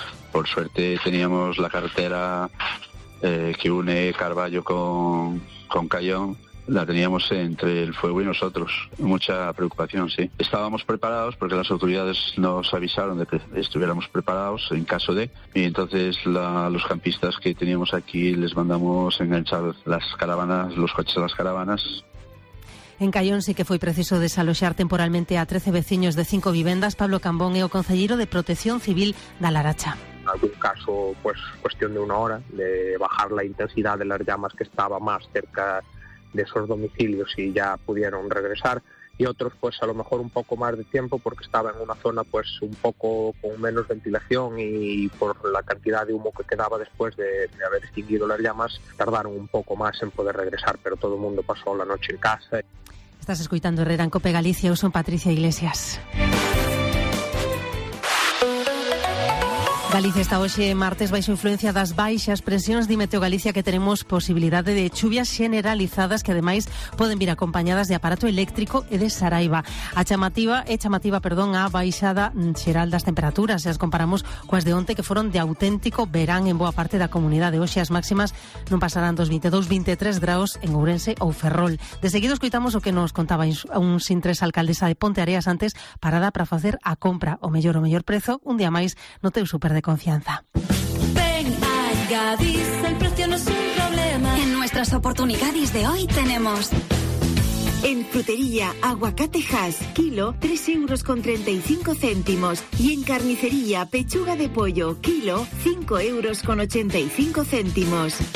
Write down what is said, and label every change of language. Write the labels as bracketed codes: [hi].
[es] Por suerte, teníamos la carretera que une Carballo con Caión, la teníamos entre el fuego y nosotros. Mucha preocupación, sí. Estábamos preparados porque las autoridades nos avisaron de que estuviéramos preparados en caso de. Y entonces los campistas que teníamos aquí les mandamos enganchar las caravanas, los coches a las caravanas. [gl] En Caión sí que foi preciso desaloxar temporalmente a 13 veciños de 5 vivendas. Pablo Cambón é o concelleiro de Protección Civil da Laracha. [es] En algún caso, pues cuestión de una hora de bajar la intensidad de las llamas que estaba más cerca de esos domicilios y ya pudieron regresar. Y otros, pues a lo mejor un poco más de tiempo porque estaba en una zona pues un poco con menos ventilación y por la cantidad de humo que quedaba después de haber extinguido las llamas, tardaron un poco más en poder regresar, pero todo el mundo pasó la noche en casa. Estás escuchando Herrera en COPE Galicia, yo soy Patricia Iglesias. [gl] Galicia está hoxe martes baixo influencia das baixas presións de Meteo Galicia, que tenemos posibilidade de chuvias generalizadas que ademais poden vir acompañadas de aparato eléctrico e de saraiva. É chamativa, a baixada xeral das temperaturas. Se as comparamos coas de onte, que foron de auténtico verán en boa parte da comunidade. Hoxe as máximas non pasarán dos 22-23 graos en Ourense ou Ferrol. De seguido escoitamos o que nos contaba un sintres alcaldesa de Ponteareas antes, parada para facer a compra, o mellor prezo, un día máis no teu super de confianza. [es] Ven a Gadis, el precio no es un problema. En nuestras oportunidades de hoy tenemos: en frutería, aguacate Hass, kilo, 3,35 euros. Y en carnicería, pechuga de pollo, kilo, 5,85 euros.